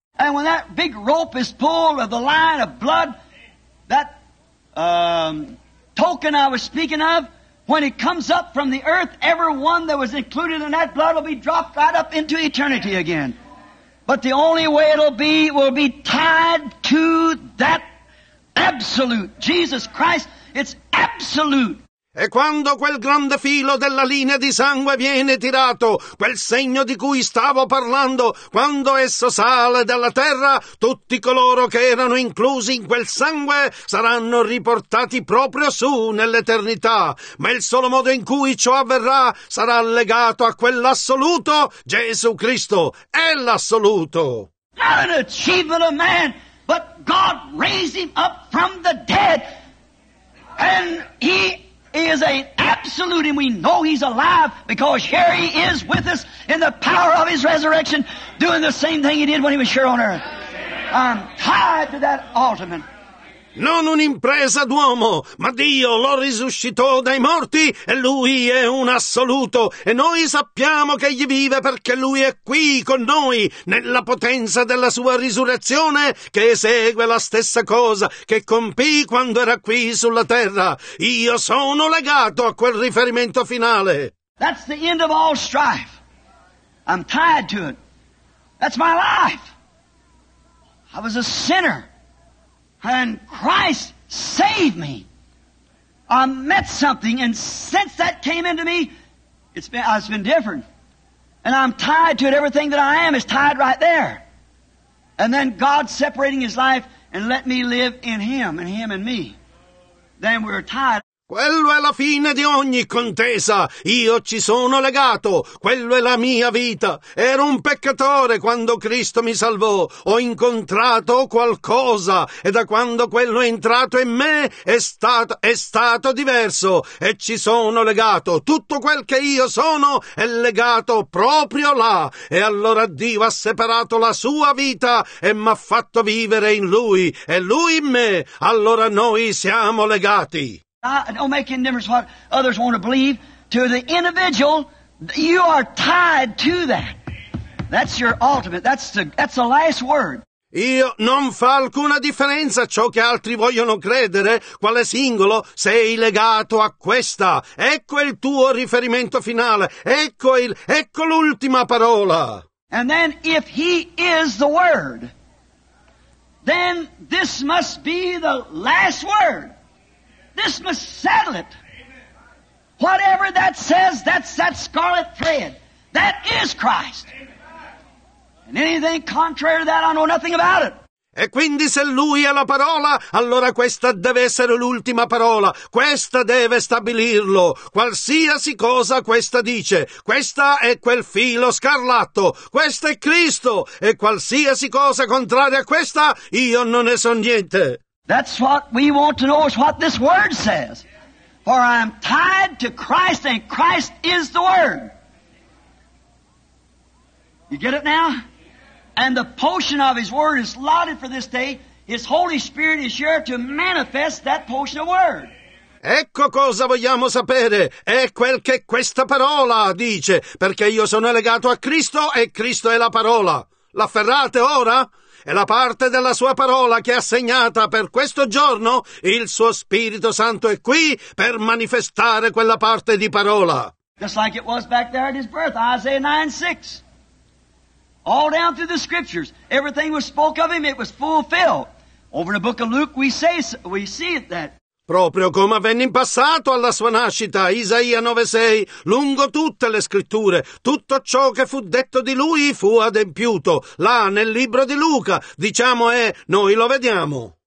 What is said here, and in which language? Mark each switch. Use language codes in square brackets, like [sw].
[en] And when that big rope is pulled of the line of blood, that token I was speaking of, when it comes up from the earth, everyone that was included in that blood will be dropped right up into eternity again. But the only way it'll be will be tied to that absolute Jesus Christ. It's absolute. [it] E quando quel grande filo della linea di sangue viene tirato, quel segno di cui stavo parlando, quando esso sale dalla terra, tutti coloro che erano inclusi in quel sangue saranno riportati proprio su nell'eternità. Ma il solo modo in cui ciò avverrà sarà legato a quell'assoluto Gesù Cristo. È l'assoluto. [en] Not an achievement of man, but God raised him up from the dead. And he is an absolute, and we know he's alive because here he is with us in the power of his resurrection, doing the same thing he did when he was here on earth. I'm tied to that ultimate. [it] Non un'impresa d'uomo, ma Dio lo risuscitò dai morti e lui è un assoluto. E noi sappiamo che egli vive perché lui è qui con noi nella potenza della sua risurrezione, che esegue la stessa cosa che compì quando era qui sulla terra. Io sono legato a quel riferimento finale. [en] That's the end of all strife. I'm tied to it. That's my life. I was a sinner. And Christ saved me. I met something, and since that came into me, it's been different. And I'm tied to it. Everything that I am is tied right there. And then God separating his life and let me live in him, and him in me. Then we're tied. [it] Quello è la fine di ogni contesa. Io ci sono legato. Quello è la mia vita. Ero un peccatore quando Cristo mi salvò. Ho incontrato qualcosa. E da quando quello è entrato in me è stato diverso. E ci sono legato. Tutto quel che io sono è legato proprio là. E allora Dio ha separato la sua vita e mi ha fatto vivere in Lui. E Lui in me. Allora noi siamo legati. [en] I don't make any difference what others want to believe. To the individual, you are tied to that. That's your ultimate. That's the last word. [it] Io non fa alcuna differenza ciò che altri vogliono credere. Quale singolo sei legato a questa? Ecco il tuo riferimento finale. Ecco l'ultima parola. [en] And then if he is the word, then this must be the last word. This must settle it. Whatever that says, that's that scarlet thread. That is Christ. And anything contrary to that, I know nothing about it. [it] E quindi se lui è la parola, allora questa deve essere l'ultima parola. Questa deve stabilirlo. Qualsiasi cosa questa dice, questa è quel filo scarlatto. Questo è Cristo. E qualsiasi cosa contraria a questa, io non ne so niente. [en] That's what we want to know, is what this word says. For I am tied to Christ, and Christ is the word. You get it now? And the portion of His Word is allotted for this day. His Holy Spirit is here to manifest that portion of Word. [it] Ecco cosa vogliamo sapere. È quel che questa parola dice. Perché io sono legato a Cristo e Cristo è la parola. L'afferrate ora? È la parte della Sua parola che è assegnata per questo giorno. Il Suo Spirito Santo è qui per manifestare quella parte di parola. [en] Just like it was back there at His birth, Isaiah 9:6. All down through the Scriptures, everything was spoke of Him, it was fulfilled. Over in the book of Luke, we see it. [it] Proprio come avvenne in passato alla sua nascita, Isaia 9:6, lungo tutte le Scritture, tutto ciò che fu detto di Lui fu adempiuto. Là, nel libro di Luca, diciamo noi lo vediamo.